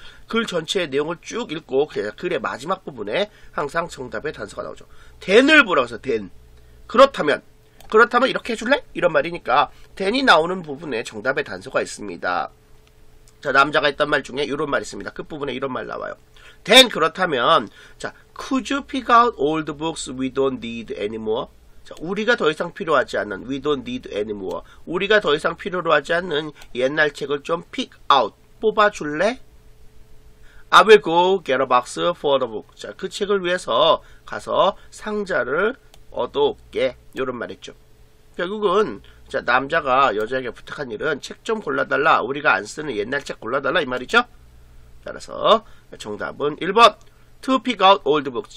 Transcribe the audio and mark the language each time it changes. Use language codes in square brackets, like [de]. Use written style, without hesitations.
[ko] 글 전체의 내용을 쭉 읽고 글의 마지막 부분에 항상 정답의 단서가 나오죠. then을 보라고 해서 then. 그렇다면, 그렇다면 이렇게 해줄래? 이런 말이니까 then이 나오는 부분에 정답의 단서가 있습니다. 자, 남자가 했던 말 중에 이런 말 있습니다. 끝부분에 이런 말 나와요. [en] Then 그렇다면, 자, could you pick out old books we don't need anymore? [ko] 자, 우리가 더 이상 필요하지 않는, [en] we don't need anymore. [ko] 우리가 더 이상 필요로 하지 않는 옛날 책을 좀 pick out, 뽑아줄래? [en] I will go get a box for the book. [ko] 자, 그 책을 위해서 가서 상자를 얻어올게. 이런 말 했죠. 결국은, 자, 남자가 여자에게 부탁한 일은 책 좀 골라달라. 우리가 안 쓰는 옛날 책 골라달라. 이 말이죠. 따라서 정답은 1번. [en] To pick out old books.